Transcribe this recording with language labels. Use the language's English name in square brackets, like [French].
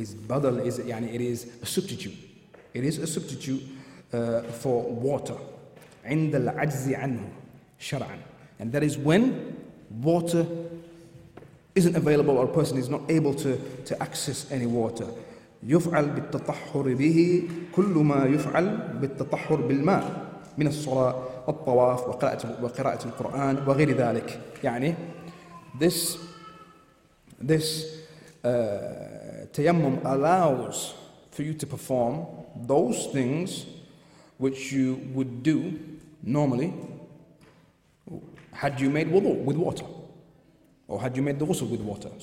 [English] It is a substitute. It is a substitute for water. [Arabic] عند العجز عنه شرعا. [English] And that is when water isn't available or a person is not able to access any water. [Arabic] يفعل بالتطهر به كل ما يفعل بالتطهر بالماء من الصلاة الطواف وقراءة القرآن وغير ذلك. [English] يعني this tayammum allows for you to perform those things which you would do normally had you made wudu with water, or had you made the ghusl with water.